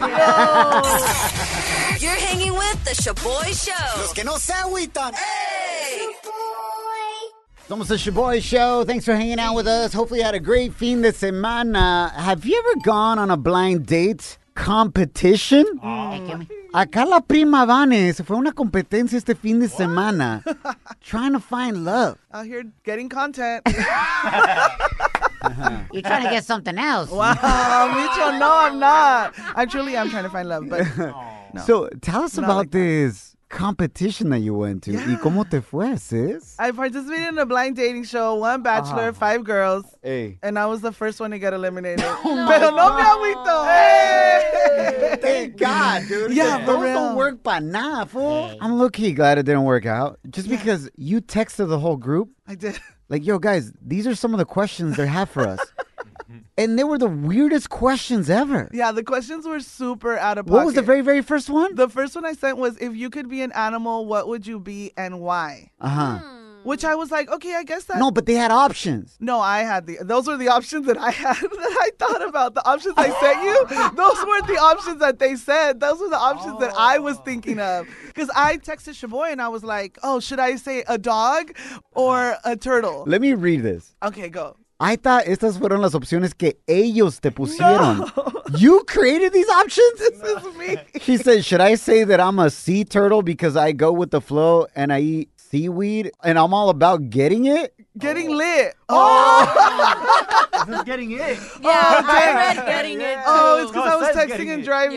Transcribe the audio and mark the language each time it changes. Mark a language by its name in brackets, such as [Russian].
[English] No. You're hanging with the Shaboy Show. [Spanish] Los que no se agüitan. [English] Hey! [Spanish] Somos [English] the Shaboy Show. Thanks for hanging out with us. Hopefully you had a great [Spanish] fin de semana. [English] Have you ever gone on a blind date competition? [Spanish] Acá la prima Vane se fue a una competencia este fin de semana [English] trying to find love. Out here getting content. You're trying to get something else. Wow, Micho, no, I'm not. I truly am trying to find love, but no. So tell us about like this competition that you went to. Yeah. [Spanish] ¿Y cómo te fue, sis? [English] I participated in a blind dating show, one bachelor, uh-huh. five girls. Hey. And I was the first one to get eliminated. [Spanish] Pero no me agüito. [English] Hey! Thank God, dude. Yeah, for real. Don't work [Spanish] pa' nada, [English] fool. Hey. I'm low-key glad it didn't work out. Just because you texted the whole group. I did. Like, yo, guys, these are some of the questions they have for us. And they were the weirdest questions ever. Yeah, the questions were super out of pocket. What was the very, very first one? The first one I sent was, if you could be an animal, what would you be and why? Uh-huh. Hmm. Which I was like, okay, I guess that. No, but they had options. No, I had those were the options that I had that I thought about. The options I sent you, those weren't the options that they said. Those were the options that I was thinking of. Because I texted Shavoy and I was like, oh, should I say a dog or a turtle? Let me read this. Okay, go. I thought [Spanish] estas fueron las opciones que ellos te pusieron. [English] No. You created these options? This is me. He said, should I say that I'm a sea turtle because I go with the flow and I eat seaweed and I'm all about getting it? Getting lit. Oh! This is getting it. Yeah, oh, okay. I read getting it. Oh, it's because I was texting and driving.